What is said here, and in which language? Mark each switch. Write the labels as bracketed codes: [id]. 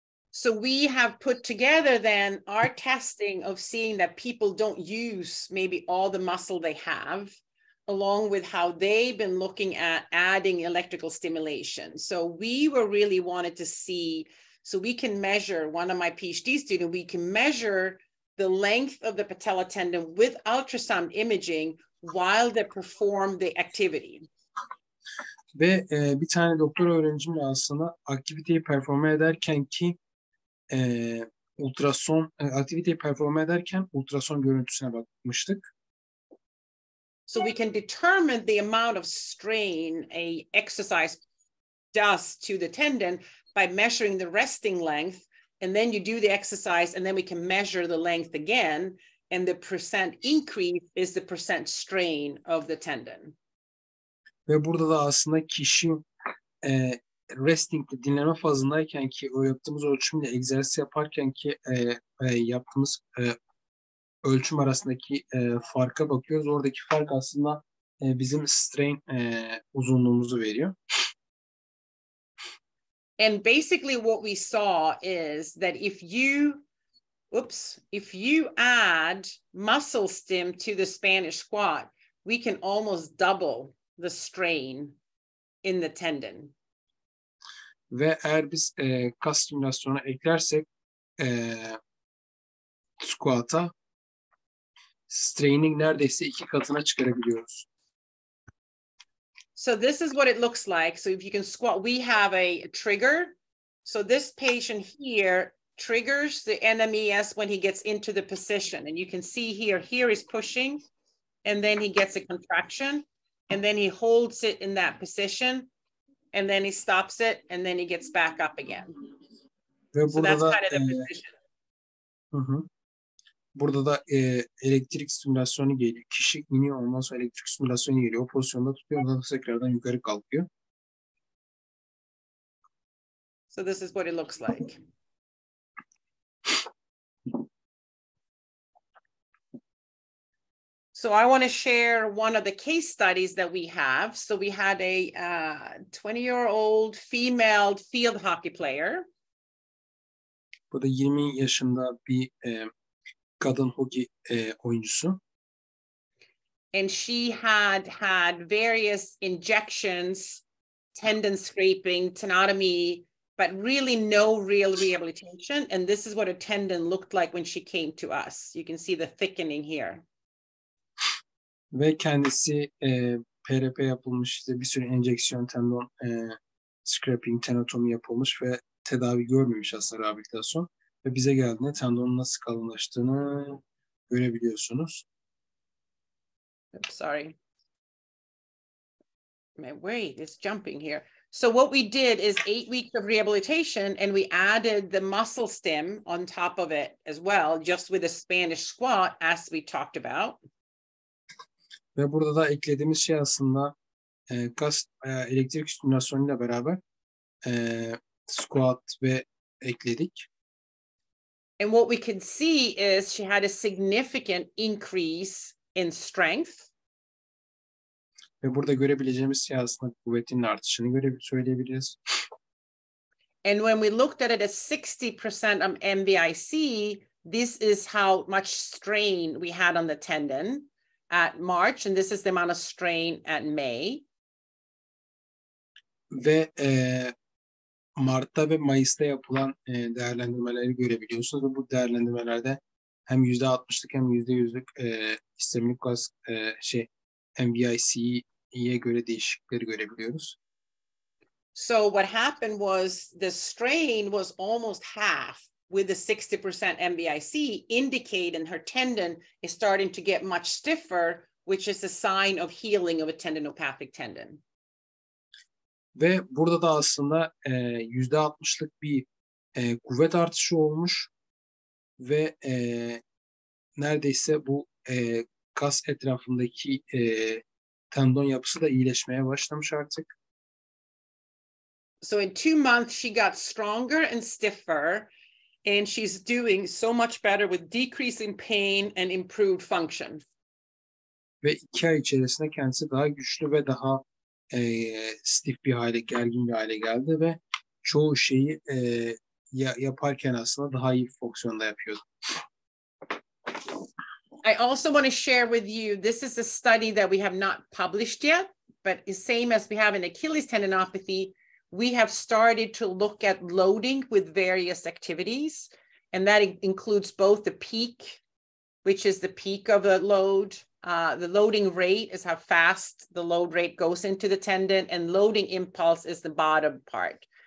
[en] So we have put together then our testing of seeing that people don't use maybe all the muscle they have, along with how they've been looking at adding electrical stimulation. So we were really wanted to see, so we can measure, one of my PhD students, we can measure the length of the patella tendon with ultrasound imaging while they perform the activity. [tr] Ve bir tane doktor öğrencim aslında aktiviteyi performe ederken ki ultrason aktiviteyi performe ederken ultrason görüntüsüne bakmıştık. [en] So we can determine the amount of strain a exercise does to the tendon by measuring the resting length, and then you do the exercise, and then we can measure the length again, and the percent increase is the percent strain of the tendon. [tr] Ve burada da aslında kişi resting dinlenme fazındayken ki o yaptığımız ölçümle egzersiz yaparken ki yaptığımız ölçüm arasındaki farka bakıyoruz. Oradaki fark aslında bizim strain uzunluğumuzu veriyor. [en] And basically what we saw is that if you add muscle stim to the Spanish squat, we can almost double the strain in the tendon. [tr] Ve eğer biz kas stimülasyonu eklersek squat'a straining neredeyse iki katına çıkarabiliyoruz. [en] So this is what it looks like. So if you can squat, we have a trigger. So this patient here triggers the NMES when he gets into the position. And you can see here he's pushing and then he gets a contraction and then he holds it in that position and then he stops it and then he gets back up again. [tr] Ve burada [en] so that's kind of the position. [tr] Burada da elektrik stimülasyonu geliyor. Kişi iniyor ondan sonra elektrik stimülasyonu geliyor. O pozisyonda tutuyor ondan sonra tekrardan yukarı kalkıyor. [en] So this is what it looks like. So I want to share one of the case studies that we have. So we had a 20-year-old female field hockey player. [tr] Bu da 20 yaşında bir kadın hockey oyuncusu. [en] And she had various injections, tendon scraping, tenotomy, but really no real rehabilitation. And this is what a tendon looked like when she came to us. You can see the thickening here. [tr] Ve kendisi PRP yapılmış, işte bir sürü enjeksiyon, tendon scraping, tenotomi yapılmış ve tedavi görmemiş aslında rehabilitasyon. Ve bize geldiğinde tendonun nasıl kalınlaştığını görebiliyorsunuz. [en] Oops, sorry. My way is jumping here. So what we did is 8 weeks of rehabilitation and we added the muscle stim on top of it as well, just with a Spanish squat as we talked about. [tr] Ve burada da eklediğimiz şey aslında kas elektrik stimülasyonuyla beraber squat ve ekledik. [en] And what we can see is she had a significant increase in strength. [tr] Ve burada görebileceğimiz şey aslında kuvvetin artışını söyleyebiliriz. [en] And when we looked at it at 60% of MVIC, this is how much strain we had on the tendon at March, and this is the amount of strain at May. [tr] Ve Mart'ta ve Mayıs'ta yapılan değerlendirmeleri görebiliyorsunuz. Bu değerlendirmelerde hem %60'lık hem %100'lük sistemik kas MVIC'ye göre değişiklikleri görebiliyoruz. [en] So what happened was the strain was almost half with the 60% MVIC, indicating her tendon is starting to get much stiffer, which is a sign of healing of a tendinopathic tendon. [tr] Ve burada da aslında %60'lık bir kuvvet artışı olmuş ve neredeyse bu kas etrafındaki tendon yapısı da iyileşmeye başlamış artık. [en] So in 2 months she got stronger and stiffer and she's doing so much better with decreasing pain and improved function. [tr] Ve 2 ay içerisinde kendisi daha güçlü ve daha stiff bir hale, gergin bir hale geldi ve çoğu şeyi yaparken aslında daha iyi fonksiyonda yapıyordu. [en] I also want to share with you, this is a study that we have not published yet, but the same as we have in Achilles tendinopathy, we have started to look at loading with various activities, and that includes both the peak, which is the peak of the load, the loading rate is how fast the load rate goes into the tendon, and loading impulse is the bottom part.